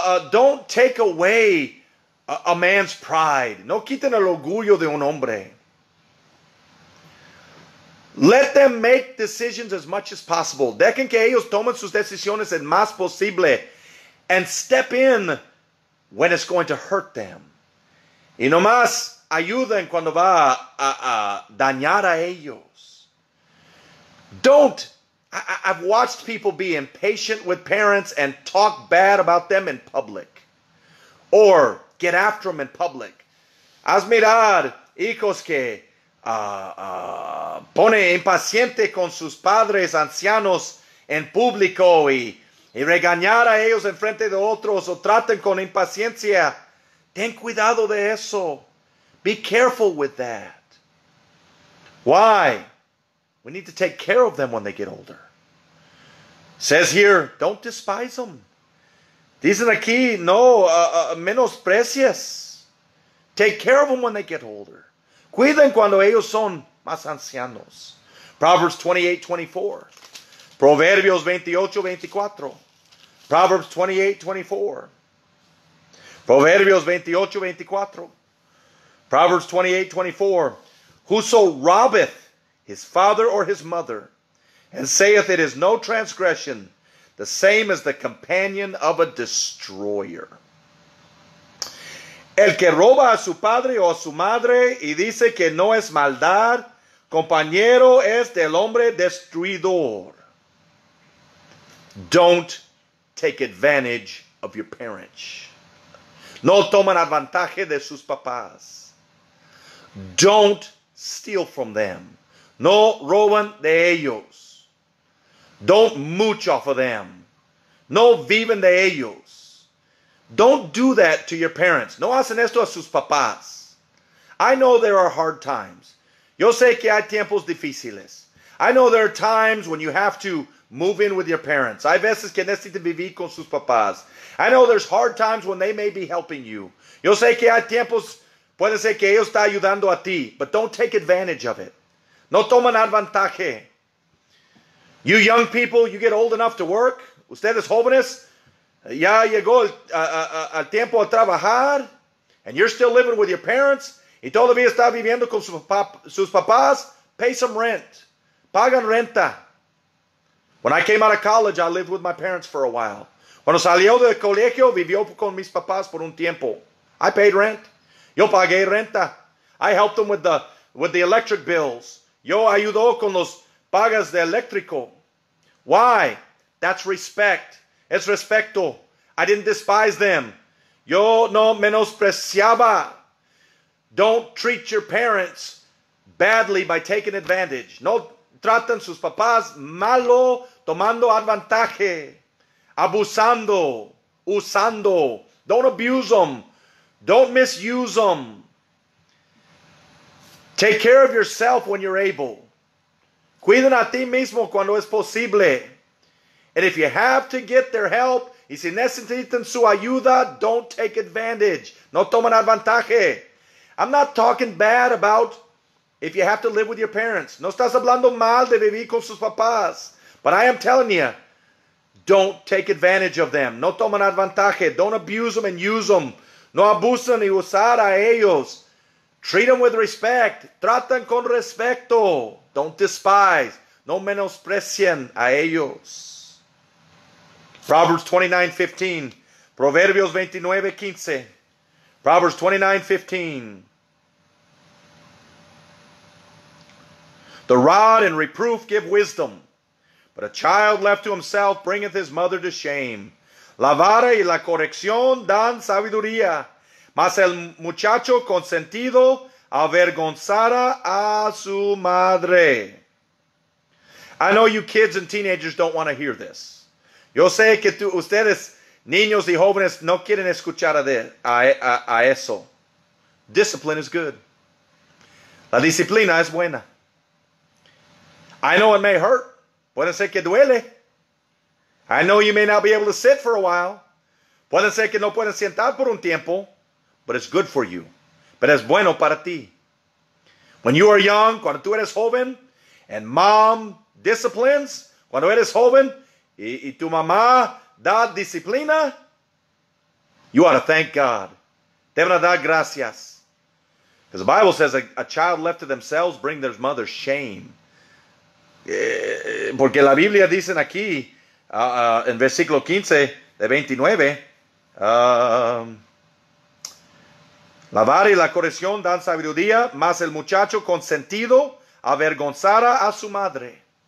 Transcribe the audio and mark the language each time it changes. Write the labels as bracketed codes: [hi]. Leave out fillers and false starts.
[en] Don't take away a man's pride. [es] No quiten el orgullo de un hombre. [en] Let them make decisions as much as possible. [es] Dejen que ellos tomen sus decisiones en más posible. [en] And step in when it's going to hurt them. [es] Y nomás ayuden cuando va a dañar a ellos. [en] I've watched people be impatient with parents and talk bad about them in public. Or get after them in public. [es] Has mirado hijos que pone impaciente con sus padres ancianos en público y regañar a ellos en frente de otros o traten con impaciencia. Ten cuidado de eso. [en] Be careful with that. Why? We need to take care of them when they get older. It says here, don't despise them. [es] Dicen aquí, no, menosprecies. [en] Take care of them when they get older. [es] Cuiden cuando ellos son más ancianos. Proverbs 28:24. Proverbios 28:24. Proverbs 28:24. Proverbios 28:24. Proverbs 28:24. [en] Whoso robbeth his father or his mother, and saith it is no transgression, the same as the companion of a destroyer. [es] El que roba a su padre o a su madre y dice que no es maldad, compañero es del hombre destruidor. [en] Don't take advantage of your parents. [es] No toman advantaje de sus papás. [en] Don't steal from them. [es] No roban de ellos. [en] Don't mooch off of them. [es] No viven de ellos. [en] Don't do that to your parents. [es] No hacen esto a sus papás. [en] I know there are hard times. [es] Yo sé que hay tiempos difíciles. [en] I know there are times when you have to move in with your parents. [es] Hay veces que necesitan vivir con sus papás. [en] I know there's hard times when they may be helping you. [es] Yo sé que hay tiempos, puede ser que ellos están ayudando a ti, [en] but don't take advantage of it. [es] No toman advantaje. [en] You young people, you get old enough to work. [es] Ustedes jóvenes, ya llegó el tiempo a trabajar, [en] and you're still living with your parents, [es] y todavía está viviendo con sus papás, [en] pay some rent. [es] Pagan renta. [en] When I came out of college, I lived with my parents for a while. [es] Cuando salió del colegio, vivió con mis papás por un tiempo. [en] I paid rent. [es] Yo pagué renta. [en] I helped them with the electric bills. [es] Yo ayudó con los pagas de eléctrico. [en] Why? That's respect. [es] Es respeto. [en] I didn't despise them. [es] Yo no menospreciaba. [en] Don't treat your parents badly by taking advantage. [es] No tratan sus papás malo tomando advantaje. Abusando. Usando. [en] Don't abuse them. Don't misuse them. Take care of yourself when you're able. [es] Cuiden a ti mismo cuando es posible. [en] And if you have to get their help, [es] y si necesitan su ayuda, [en] don't take advantage. [es] No tomen advantaje. [en] I'm not talking bad about if you have to live with your parents. [es] No estás hablando mal de vivir con sus papás. [en] But I am telling you, don't take advantage of them. [es] No tomen advantaje. [en] Don't abuse them and use them. [es] No abusen y usar a ellos. [en] Treat them with respect. [es] Tratan con respeto. [en] Don't despise. [es] No menosprecien a ellos. [en] Proverbs 29:15. Proverbios 29:15. Proverbs 29:15. The rod and reproof give wisdom, but a child left to himself bringeth his mother to shame. [es] La vara y la corrección dan sabiduría, mas el muchacho consentido avergonzará a su madre. [en] I know you kids and teenagers don't want to hear this. [es] Yo sé que ustedes, niños y jóvenes, no quieren escuchar a eso. [en] Discipline is good. [es] La disciplina es buena. [en] I know it may hurt. [es] Puede ser que duele. [en] I know you may not be able to sit for a while. [es] Puede ser que no pueden sentar por un tiempo. [en] But it's good for you. [es] Pero es bueno para ti. [en] When you are young, [es] cuando tú eres joven, [en] and mom disciplines, [es] cuando eres joven, y tu mamá da disciplina, [en] you ought to thank God. [es] Deben dar gracias. [en] Because the Bible says a child left to themselves bring their mother shame. [es] Porque la Biblia dice aquí, en versículo 15 de 29, la vara y la corrección dan sabiduría, mas el muchacho consentido avergonzará a su madre.